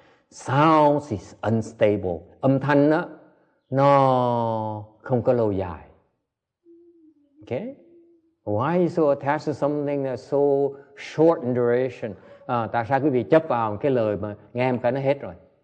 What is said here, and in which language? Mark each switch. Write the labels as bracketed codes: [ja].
[en] Sounds is unstable. [vi] Âm thanh đó, nó không có lâu dài. [en] Okay? Why are you so attached to something that's so short in duration? [vi] Tại sao quý vị chấp vào cái lời mà nghe em cái nó hết rồi?